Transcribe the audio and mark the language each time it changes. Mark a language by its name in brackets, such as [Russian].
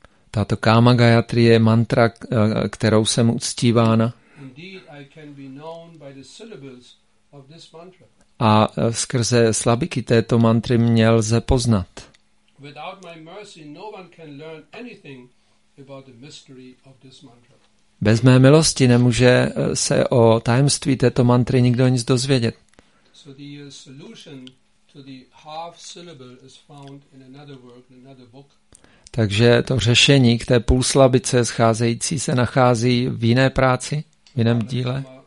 [Czech] Tato Kama Gayatri je mantra, kterou jsem uctívána. [English] Indeed, I can be known by the syllables of this mantra. [Czech] A skrze slabiky této mantry mě lze poznat. [English] Without my mercy, no one can learn anything about the mystery of this mantra. [Czech] Bez mé milosti nemůže se o tajemství této mantry nikdo nic dozvědět. [English] So the solution to the half syllable is found in another work, in another book. [Czech] Takže to řešení k té půlslabice scházející se nachází v jiné práci, v jiném díle.